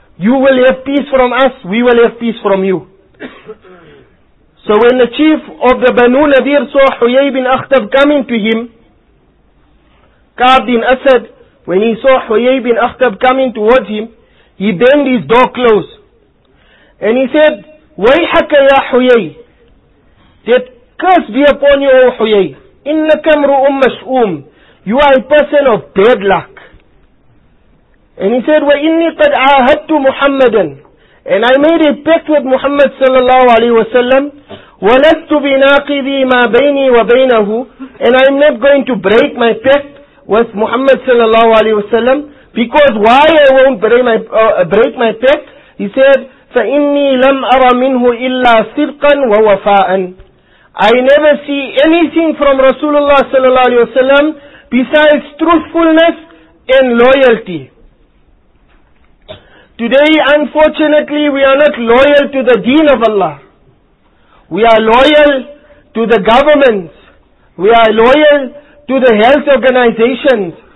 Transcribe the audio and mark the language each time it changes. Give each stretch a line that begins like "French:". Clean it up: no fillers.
English: You will have peace from us, we will have peace from you. So when the chief of the Banu Nadir saw Huyay bin Akhtab coming to him, Ka'b bin Asad, when he saw Huyay bin Akhtab coming towards him, he bent his door close. And he said,
Arabic: وَيْحَكَ يَا
English: Huyay, that curse be upon you, O Huyay.
Arabic: إِنَّكَ مْرُؤٌ مَشْؤُومٌ.
English: You are a person of bad luck. And he said,
Arabic: وَإِنِّي قَدْ عَاهَدْتُ مُحَمَّدًا.
English: And I made a pact with Muhammad sallallahu alayhi wa sallam.
Arabic: وَلَسْتُ بِنَاقِذِي مَا بَيْنِي وَبَيْنَهُ.
English: And I'm not going to break my pact with Muhammad sallallahu alayhi wa sallam. Because why I won't break my pact? He said,
Arabic: فَإِنِّي لَمْ أَرَ مِنْهُ إِلَّا صِدْقًا وَوَفَاءً.
English: I never see anything from Rasulullah sallallahu alayhi wa sallam besides truthfulness and loyalty. Today, unfortunately, we are not loyal to the deen of Allah. We are loyal to the governments. We are loyal to the health organizations.